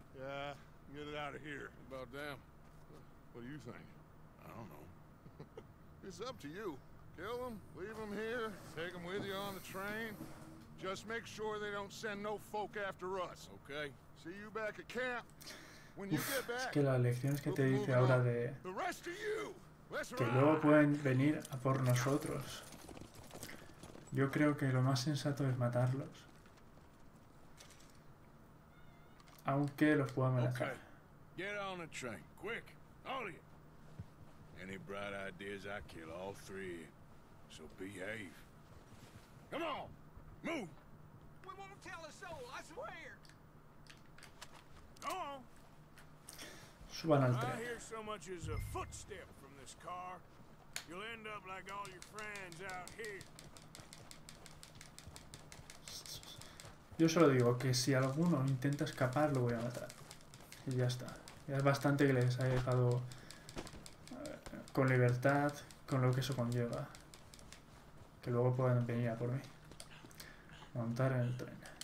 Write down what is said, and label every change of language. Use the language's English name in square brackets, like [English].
[English] Yeah. Get it out of here. What about them? What do you think? I don't know. It's up to you. Kill them, leave them here, take them with you on the train. Just make sure they don't send no folk after us, okay? See you back at camp. When you get back. [Spanish] Es que las lecciones que te dice ahora de que luego pueden venir a por nosotros. Yo creo que lo más sensato es matarlos, aunque los pueda amenazar. [English] Okay. Get on the train, quick, all of you. Any bright ideas, I kill all three. So behave. Come on. Move! We won't tell a soul, I swear! Go on! [Spanish] Suban al tren. [English] I hear so much as a footstep from this car. You'll end up like all your friends out here. [Spanish] Yo solo digo que si alguno intenta escapar, lo voy a matar. Y ya está. Ya es bastante que les haya dejado con libertad, con lo que eso conlleva. Que luego puedan venir a por mí. Montar en el tren.